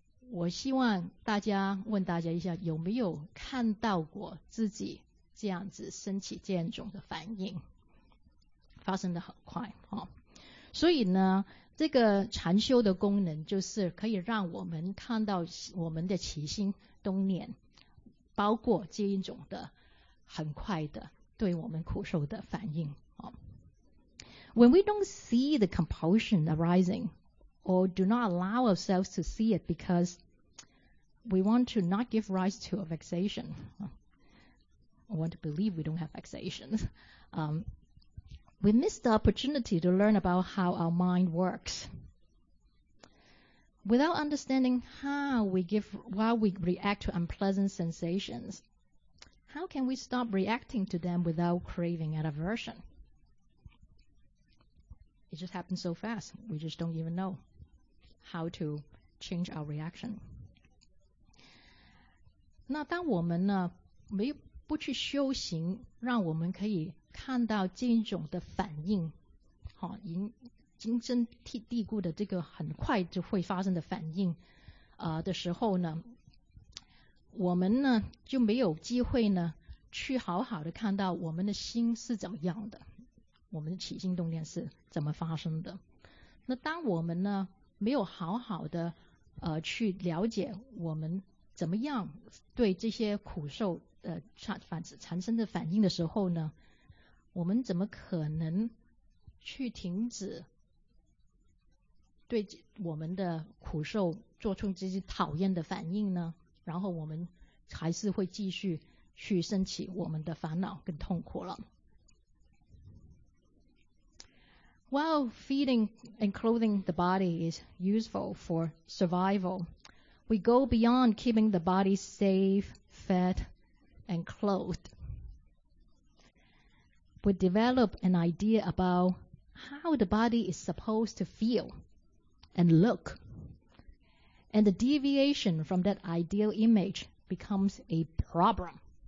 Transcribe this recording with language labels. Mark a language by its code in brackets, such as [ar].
[zh] 我希望大家问大家一下，有没有看到过自己这样子升起这种的反应发生的很快，所以呢这个禅修的功能就是可以让我们看到我们的起心动念，包括这一种的很快的对我们苦受的反应。 [en] When we don't see the compulsion arising, or do not allow ourselves to see it because we want to not give rise to a vexation, I want to believe we don't have vexations, we miss the opportunity to learn about how our mind works. Without understanding how we give, why we react to unpleasant sensations, how can we stop reacting to them without craving and aversion? It just happens so fast. We just don't even know how to change our reaction. [zh] 那当我们呢没不去修行，让我们可以看到这种的反应，好，根深蒂固的这个很快就会发生的反应，的时候呢，我们呢就没有机会呢去好好的看到我们的心是怎么样的。我们的起心动念是怎么发生的？那当我们呢没有好好的去了解我们怎么样对这些苦受产生的反应的时候呢，我们怎么可能去停止对我们的苦受做出这些讨厌的反应呢？然后我们还是会继续去升起我们的烦恼跟痛苦了。 [en] While feeding and clothing the body is useful for survival, we go beyond keeping the body safe, fed, and clothed. We develop an idea about how the body is supposed to feel and look, and the deviation from that ideal image becomes a problem.